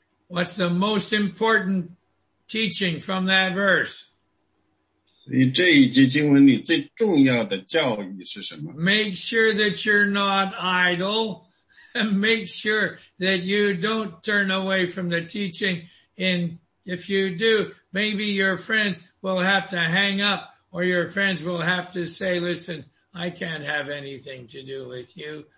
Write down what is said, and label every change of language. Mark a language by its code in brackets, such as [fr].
[en] What's the most important teaching from that verse? [zh] 这一节经文里最重要的教义是什么? [en] Make sure that you're not idle. And make sure that you don't turn away from the teaching. And if you do, maybe your friends will have to hang up or your friends will have to say, listen, I can't have anything to do with you.